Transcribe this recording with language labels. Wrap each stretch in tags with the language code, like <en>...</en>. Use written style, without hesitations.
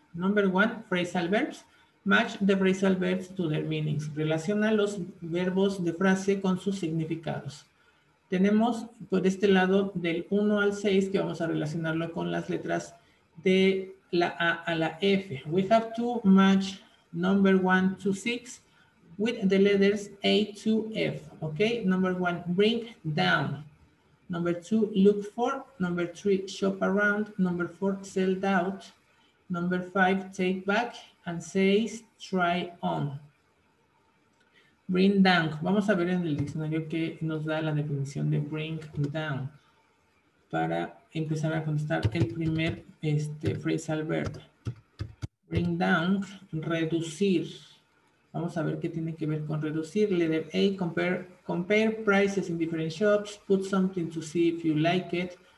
<en>Number 1, phrasal verbs, match the phrasal verbs to their meanings,</en> <es>relaciona los verbos de frase con sus significados. Tenemos por este lado del 1 al 6 que vamos a relacionarlo con las letras de la A a la F.</es> <en>We have to match number 1 to 6 with the letters A to F. Ok, number 1, bring down. Number 2, look for. Number 3, shop around. Number 4, sell out. Number 5, take back. And 6, try on. Bring down.</en> <es>Vamos a ver en el diccionario qué nos da la definición de bring down para empezar a contestar el primer phrasal verb. Bring down, reducir. Vamos a ver qué tiene que ver con reducir.</es> <en>Letter A, compare prices in different shops. Put something to see if you like it.</en>